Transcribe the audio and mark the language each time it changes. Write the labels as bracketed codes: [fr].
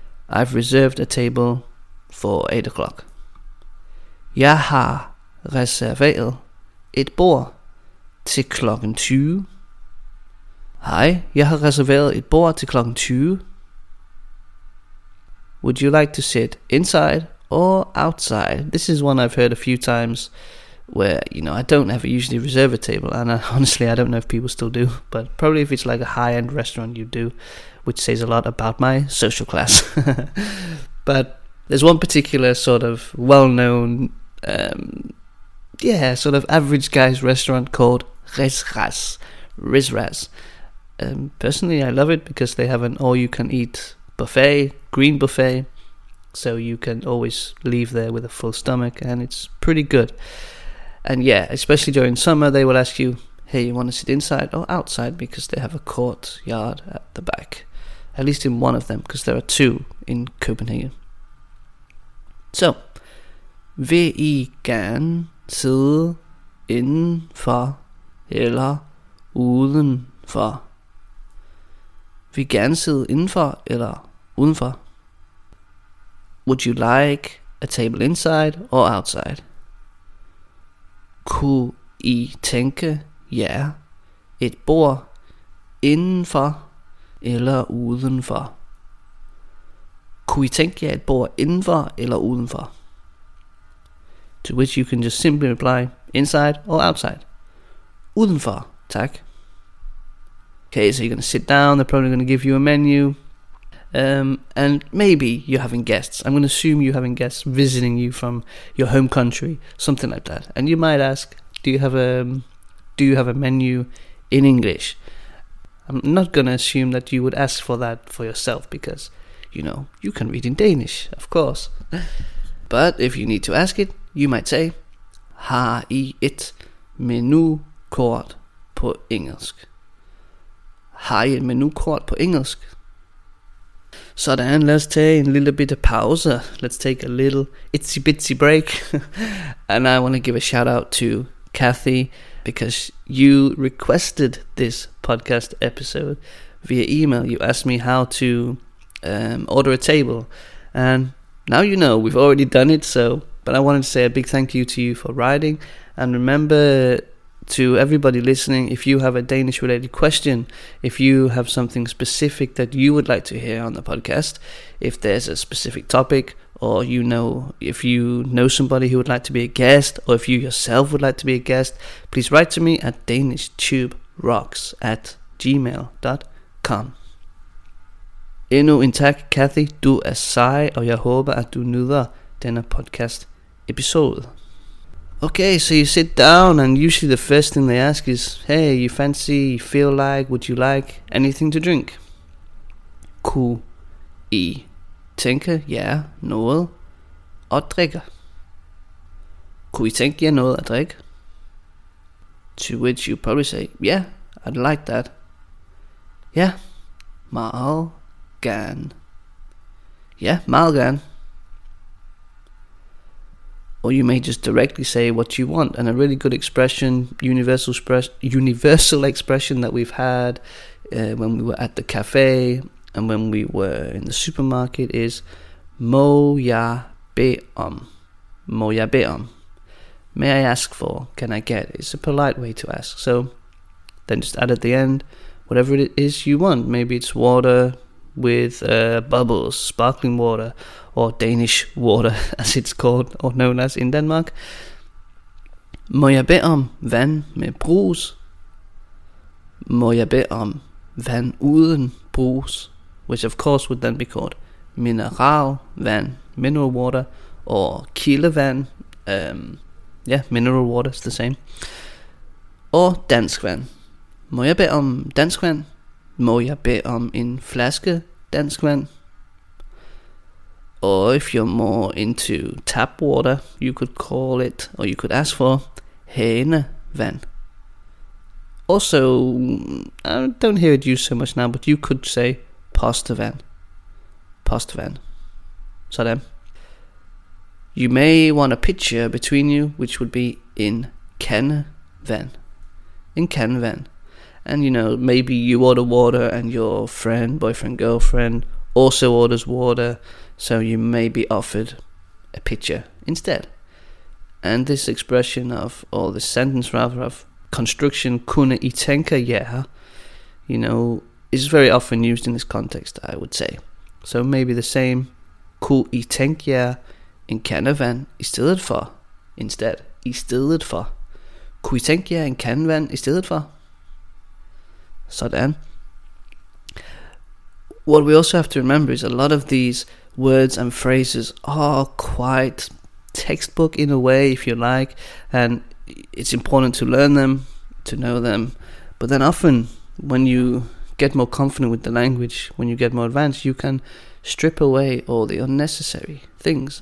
[en] I've reserved a table for 8 o'clock. [da] Jeg har reserveret et bord til klokken 20. Hej, jeg har reserveret et bord til klokken 20. [en] Would you like to sit inside or outside? This is one I've heard a few times where, you know, I don't ever usually reserve a table. And honestly, I don't know if people still do. But probably if it's like a high-end restaurant, you do. Which says a lot about my social class. But there's one particular sort of well-known, sort of average guy's restaurant called Rizraz. Rizraz. Personally, I love it because they have an all-you-can-eat buffet, green buffet, so you can always leave there with a full stomach, and it's pretty good. And yeah, especially during summer, they will ask you, hey, you want to sit inside or outside, because they have a courtyard at the back, at least in one of them, because there are two in Copenhagen. [da] So, vil I gerne sidde indenfor eller udenfor? Vil I gerne sidde indenfor eller udenfor? [en] Would you like a table inside or outside? [da] Kunne I tænke jer et bord indenfor eller udenfor? Kunne I tænke jer et bord indenfor eller udenfor? [en] To which you can just simply reply, inside or outside? [da] Udenfor, tak. [en] Okay, so you're going to sit down, they're probably going to give you a menu. And maybe you're having guests. I'm going to assume you're having guests visiting you from your home country, something like that. And you might ask, do you have a menu in English? I'm not going to assume that you would ask for that for yourself because, you know, you can read in Danish, of course. But if you need to ask it, you might say, [da] har I et menukort på engelsk? Har I et menukort på engelsk? [en] Sådan, let's take a little bit of pause. Let's take a little itsy bitsy break. And I want to give a shout out to Kathy because you requested this podcast episode via email. You asked me how to order a table, and now you know, we've already done it. So, but I wanted to say a big thank you to you for writing, and remember to everybody listening, if you have a Danish related question, if you have something specific that you would like to hear on the podcast, if there's a specific topic, or you know, if you know somebody who would like to be a guest, or if you yourself would like to be a guest, please write to me at danishtuberocks@gmail.com. [da] Endnu en tak, Kathy, du er sej, og jeg håber, at du nyder denne podcast episode. [en] Okay, so you sit down, and usually the first thing they ask is, hey, you fancy, you feel like, would you like anything to drink? [da] Kunne I tænke jer noget at drikke? Kunne I tænke jer noget at drikke? [en] To which you probably say, yeah, I'd like that. [da] Ja, meget gerne. Ja, meget gerne. [en] Or you may just directly say what you want. And a really good expression, universal expression that we've had when we were at the cafe and when we were in the supermarket is [da] Må jeg bede om? Må jeg bede om? [en] May I ask for? Can I get? It's a polite way to ask. So then just add at the end whatever it is you want. Maybe it's water with bubbles, sparkling water, or Danish water, as it's called, or known as in Denmark. [da] Må jeg bede om vand med brus? Må jeg bede om vand uden brus? [en] Which of course would then be called mineralvand, mineral water, or kildevand. Mineral water is the same. Or dansk vand. [da] Må jeg bede om dansk vand? Må jeg bede om en flaske dansk vand? [en] Or if you're more into tap water, you could call it, or you could ask for, hane vand. Also, I don't hear it used so much now, but you could say postevand. Postevand. Sådan. You may want a pitcher between you, which would be [da] en kande vand. En kande vand. [en] And you know, maybe you order water and your friend, boyfriend, girlfriend also orders water, so you may be offered a pitcher instead. And this expression of, or this sentence rather, of construction, [da] kunne I tænke jer, [en] you know, is very often used in this context, I would say. So maybe the same, [da] kunne I tænke jer en kande vand I stedet for, [en] instead, [da] I stedet for. Kunne I tænke jer en kande vand I stedet for? Sådan. [en] What we also have to remember is a lot of these words and phrases are quite textbook in a way, if you like, and it's important to learn them, to know them. But then often, when you get more confident with the language, when you get more advanced, you can strip away all the unnecessary things.